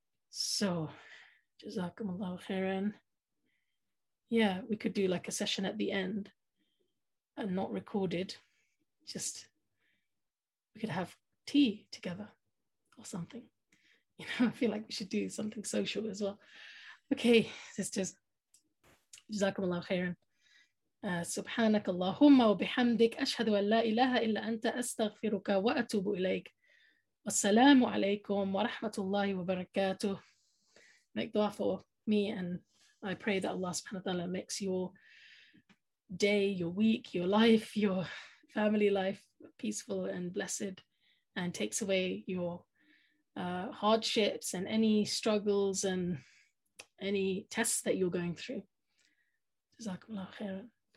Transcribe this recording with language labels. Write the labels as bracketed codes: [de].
[en] So, Jazakumullah khairan. Yeah, we could do, like, a session at the end and not recorded, just we could have tea together or something, you know. I feel like we should do something social as well. Okay, sisters, Jazakumullah khairan. [ar] سبحانك اللهم وبحمدك أشهد أن لا إله إلا أنت أستغفرك وأتوب إليك والسلام عليكم ورحمة الله وبركاته. [en] Make dua for me, and I pray that Allah subhanahu wa ta'ala makes your day, your week, your life, your family life peaceful and blessed, and takes away your hardships and any struggles and any tests that you're going through. Jazakallah khairan.